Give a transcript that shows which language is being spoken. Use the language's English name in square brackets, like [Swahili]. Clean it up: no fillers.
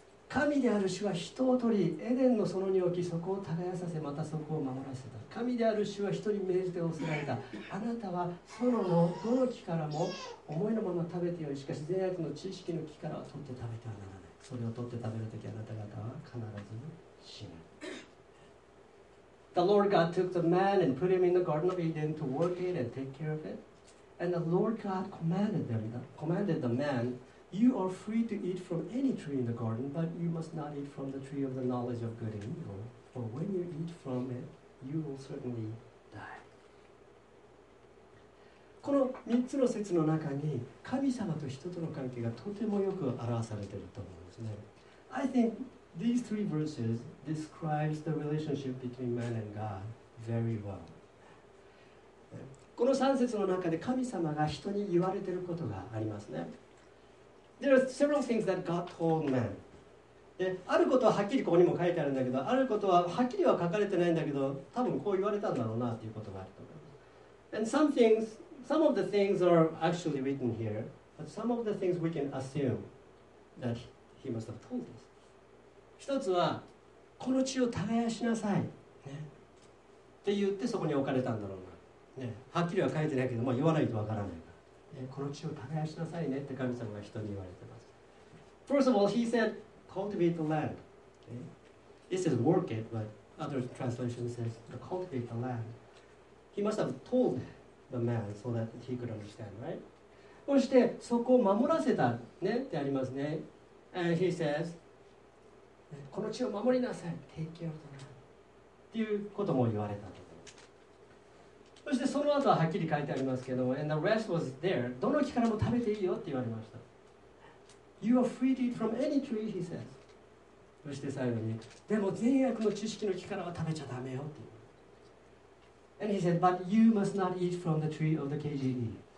[Japanese] 神である主は人を取り、エデンの園に置き、そこを耕させ、またそこを守らせた。神である主は人に命じて仰せられた。あなたは園のどの木からも思いのまま食べてよい。しかし善悪の知識の木からは取って食べてはならない。それを取って食べるときあなた方は必ず。 [English] The Lord God took the man and put him in the Garden of Eden to work it and take care of it. And the Lord God commanded the man, You are free to eat from any tree in the garden, but you must not eat from the tree of the knowledge of good and evil. For when you eat from it, you will certainly die. [Japanese] この3つの説の中に神様と人との関係がとてもよく表されていると思うんですね。 [English] I think these three verses describes the relationship between man and God very well. [Japanese] この3節の中で神様が人に言われていることがありますね。 [English] There are several things that God told man. [Japanese] あることははっきりここにも書いてあるんだけど、あることははっきりは書かれてないんだけど、多分こう言われたんだろうなということがあると思います。 [English] And some things, some of the things are actually written here, but some of the things we can assume that he must have told us. [Japanese] 一つは、この地を耕しなさい、ね、って言ってそこに置かれたんだろうな。ね、はっきりは書いてないけど、まあ、言わないとわからないから、ね、この地を耕しなさいねって神様が人に言われてます。 [English] First of all, he said, cultivate the land、okay? This is work it, but other translation says cultivate the land. He must have told the man so that he could understand, right? [Japanese] そしてそこを守らせたねってありますね。 [English] And he says、 [Japanese] ね、この地を守りなさい、 [English] take care of the land [Japanese] っていうことも言われた。そしてその後ははっきり書いてありますけども、 [English] And the rest was there. [Japanese] どの木からも食べていいよって言われました。 [English] You are free to eat from any tree, he says. [Japanese] そして最後に、でも善悪の知識の木からは食べちゃダメよって言う。 [English] And he said, but you must not eat from the tree of the KGE.、Okay?